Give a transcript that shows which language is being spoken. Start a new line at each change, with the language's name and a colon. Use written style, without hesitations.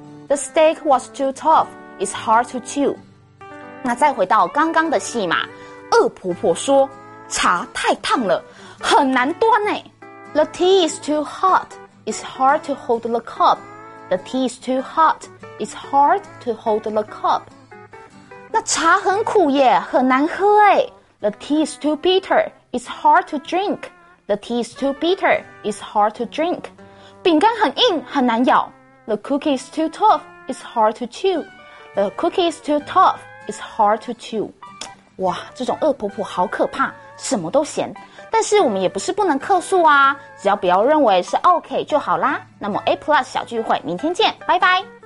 English: The steak was too tough, it's hard to chew.
Chinese: 那再回到刚刚的戏码，恶婆婆说茶太烫了，很难端哎。
English: The tea is too hot, it's hard to hold the cup. The tea is too hot, it's hard to hold the cup.
Chinese: 那茶很苦耶，很难喝哎。
English: The tea is too bitter, it's hard to drink. The tea is too bitter, it's hard to drink.
Chinese: 饼干很硬，很难咬。
English: The cookie is too tough, it's hard to chew. The cookie is too tough. It's hard to chew.
Chinese: 哇，这种恶婆婆好可怕，什么都嫌。但是我们也不是不能客诉啊，只要不要认为是 OK 就好啦。那么 A+ 小聚会，明天见，拜拜。